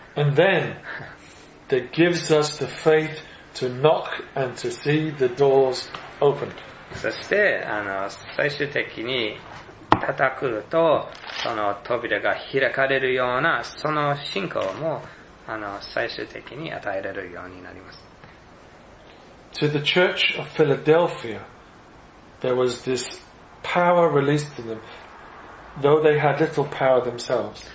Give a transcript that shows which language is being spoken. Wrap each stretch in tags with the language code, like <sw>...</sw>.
<en>And then, that gives us the faith to knock and to see the doors opened.</en> <ja>そして、最終的に叩くと、その扉が開かれるような、その信仰も、最終的に与えられるようになります。</ja> <en>To the church of Philadelphia, there was this power released to them, though they had little power themselves.</en>